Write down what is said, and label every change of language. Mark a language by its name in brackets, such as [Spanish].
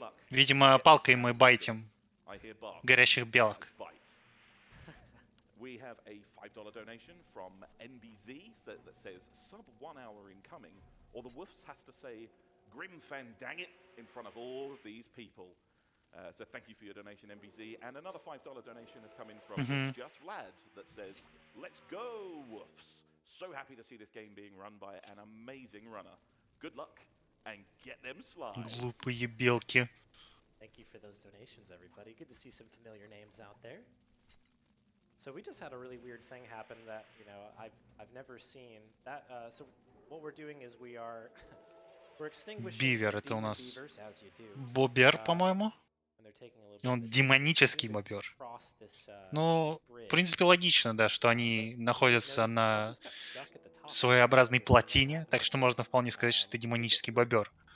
[Russian] Видимо, палкой мы байтим горящих белок. [English] We have a $5 donation from NBZ that says sub 1 hour incoming, or the Woofs has to say Grim Fandangit in front of all of these people. So thank you for your donation, NBZ. And another $5 donation has come in from Just Vlad that says, let's go, Woofs. So happy to see this game being run by an amazing runner. Good luck and get them slides. [Russian] Глупые белки. [English] Thank you for those donations, everybody. Good to see some familiar names out there. So we just had a really weird thing happen that, you know, I've never seen. That so what we're doing is we are we're extinguishing Beaver, the beavers as you do. [Russian] Бобер, по-моему. И он демонический бобер. Ну, в принципе, логично, да, что они находятся на своеобразной плотине, так что можно вполне сказать, что это демонический бобер.